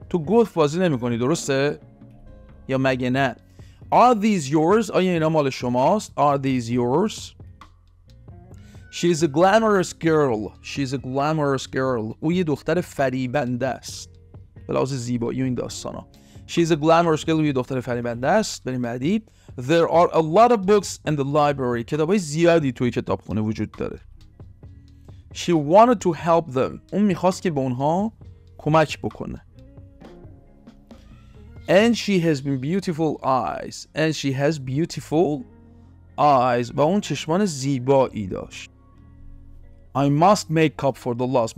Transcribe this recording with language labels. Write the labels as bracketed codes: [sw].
[fa] تو گلف بازی نمیکنی درسته؟ یا مگه نه؟ [en] Are these yours? [fa] آیا اینا مال شماست؟ [en] Are these yours? She's a glamorous girl. She's a glamorous girl. [fa] او یه دختر فریبنده است. بلاز زیبایی این داستانا. [en] She's a glamorous girl. [fa] یه دختر فریبنده است. بریم بعدی. [en] There are a lot of books in the library. [fa] کتابای زیادی توی کتابخونه وجود داره. [en] She wanted to help them. [fa] اون میخواست که به اونها کمک بکنه. [en] And she has beautiful eyes. And she has beautiful eyes. [fa] و اون چشمان زیبایی داشت. [en] I must make up for the loss.